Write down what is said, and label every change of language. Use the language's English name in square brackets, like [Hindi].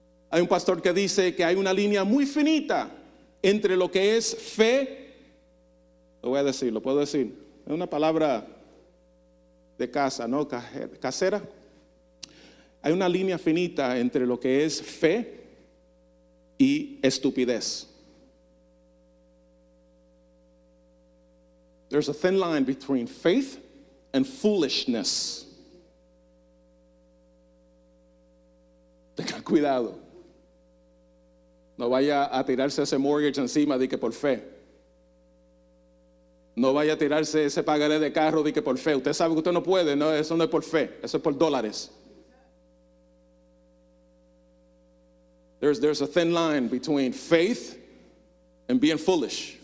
[Spanish] Hay un pastor que dice que hay una línea muy finita entre lo que es fe. Lo voy a decir, lo puedo decir. Es una palabra de casa, ¿no? Casera. Hay una línea finita entre lo que es fe y estupidez. [English] There's a thin line between faith and foolishness. [Spanish] Tenga cuidado. No vaya a tirarse ese mortgage encima de que por fe. No vaya a tirarse ese pagaré de carro de que por fe. Usted sabe que usted no puede, no, eso no es por fe, eso es por dólares. [English] There's a thin line between faith and being foolish.